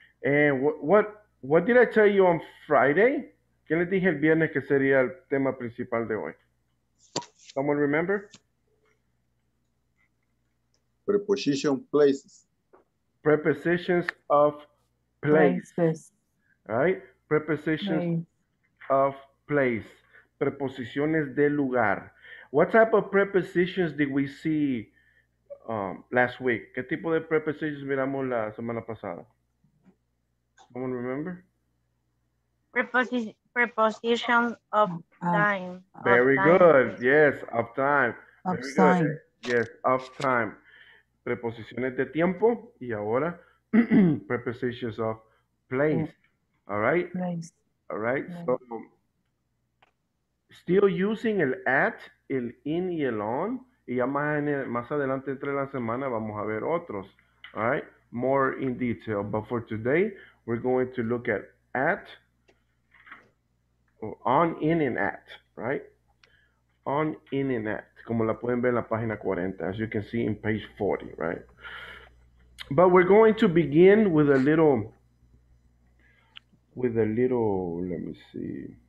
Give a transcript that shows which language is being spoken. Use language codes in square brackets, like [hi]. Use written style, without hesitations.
[en] And what did I tell you on Friday? [es] ¿Qué les dije el viernes que sería el tema principal de hoy? [en] Someone remember? Preposition places. Prepositions of places. Right? Prepositions place. Of place. [es] Preposiciones de lugar. [en] What type of prepositions did we see last week? [es] ¿Qué tipo de prepositions miramos la semana pasada? [en] Someone remember? Preposition of time. Very of good. Time. Yes, of time. Of very time. Good. Yes, of time. [es] Preposiciones de tiempo y ahora [en] prepositions of place. Yeah. All right? Place. All right. Yeah. So, still using el at, el in y el on. [es] Y ya más, en el, más adelante entre la semana vamos a ver otros. [en] All right? More in detail. But for today, we're going to look at on, in, and at, right? On, in, and at. [es] Como la pueden ver en la página 40, [en] as you can see in page 40, right? But we're going to begin with a little, let me see.